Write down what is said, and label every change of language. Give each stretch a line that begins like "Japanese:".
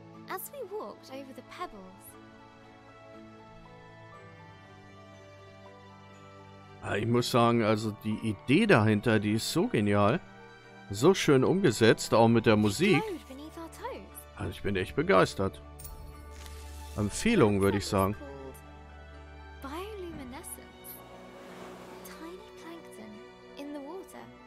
English: As we walked over the pebbles.
German: Ich muss sagen, also die Idee dahinter, die ist so genial. So schön umgesetzt, auch mit der Musik. Also ich bin echt begeistert. Empfehlung, würde ich sagen.
English: Bioluminescent. Tiny plankton in the water.